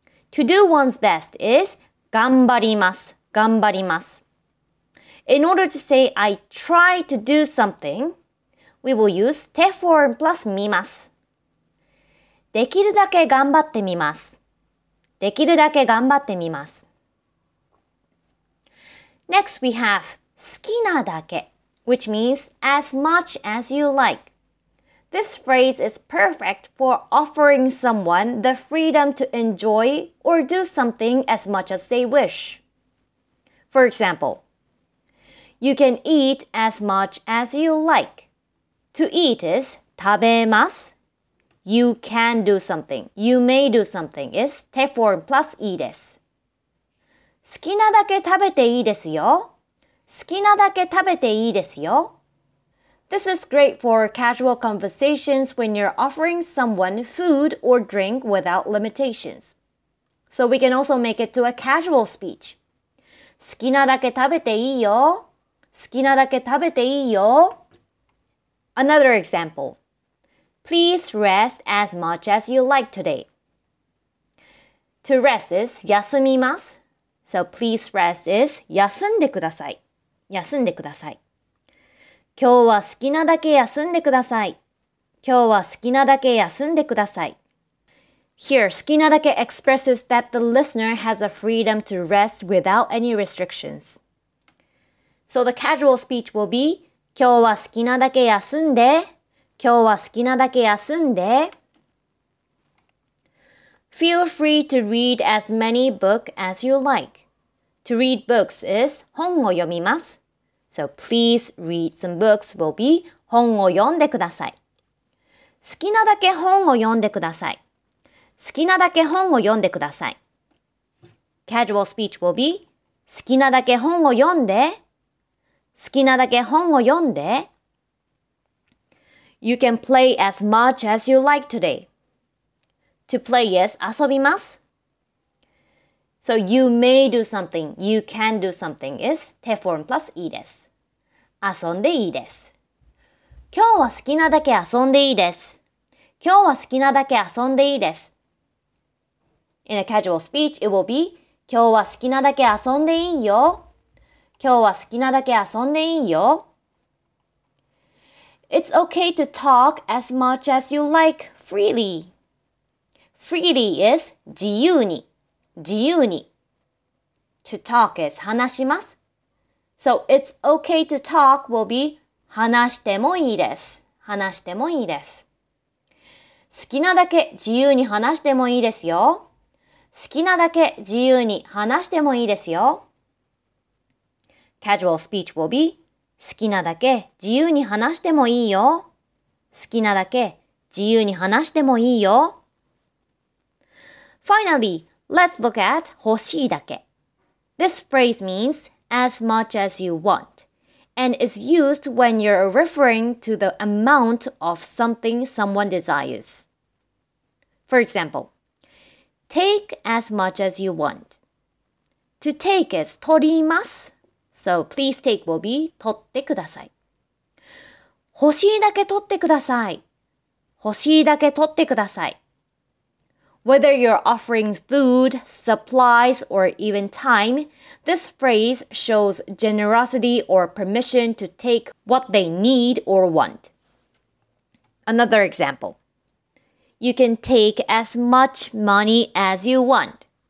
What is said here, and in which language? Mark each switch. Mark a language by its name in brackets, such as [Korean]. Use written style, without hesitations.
[English] To do one's best is [Japanese] 頑張ります、頑張ります。 [English] In order to say, I try to do something, we will use te form plus mimasu. [Japanese] できるだけ頑張ってみます。できるだけ頑張ってみます。 [English] Next, we have 好きなだけ, which means as much as you like. This phrase is perfect for offering someone the freedom to enjoy or do something as much as they wish. For example,You can eat as much as you like. To eat is 食べます.You can do something. You may do something is te form plus いいです. [Japanese] 好きなだけ食べていいですよ。好きなだけ食べていいですよ。 [English] This is great for casual conversations when you're offering someone food or drink without limitations. So we can also make it to a casual speech. [Japanese] 好きなだけ食べていいよ。好きなだけ食べていいよ。 [English] Another example. Please rest as much as you like today. To rest is 休みます。So please rest is [Japanese] 休んでください。休んでください。今日は好きなだけ休んでください。今日は好きなだけ休んでください。 [English] Here, 好きなだけ expresses that the listener has a freedom to rest without any restrictions. So the casual speech will be [Japanese] 今日は好きなだけ休んで今日は好きなだけ休んで [English] Feel free to read as many books as you like. To read books is [Japanese] 本を読みます。 [English] So please read some books will be [Japanese] 本を読んでください。好きなだけ本を読んでください。好きなだけ本を読んでください。 [English] Casual speech will be [Japanese] 好きなだけ本を読んで。好きなだけ本を読んで。 [English] You can play as much as you like today. To play is 遊びます。So you may do something, you can do something is 手 form plus いいです。 [Japanese] 遊んでいいです。今日は好きなだけ遊んでいいです。今日は好きなだけ遊んでいいです。 [English] In a casual speech, it will be [Japanese] 今日は好きなだけ遊んでいいよ。今日は好きなだけ遊んでいいよ。 [English] It's okay to talk as much as you like freely. Freely is [Japanese] 自由に。自由に。 [English] To talk is 話します。So it's okay to talk will be [Japanese] 話してもいいです。話してもいいです。好きなだけ自由に話してもいいですよ。好きなだけ自由に話してもいいですよ。 [English] Casual speech will be [Japanese] 好きなだけ自由に話してもいいよ。好きなだけ自由に話してもいいよ。 [English] Finally, let's look at 欲しいだけ。 This phrase means as much as you want and is used when you're referring to the amount of something someone desires. For example,Take as much as you want. To take is 取ります。So please take will be [Japanese] 取ってください。欲しいだけ取ってください。欲しいだけ取ってください。 [English] Whether you're offering food, supplies, or even time, this phrase shows generosity or permission to take what they need or want. Another example. You can take as much money as you want.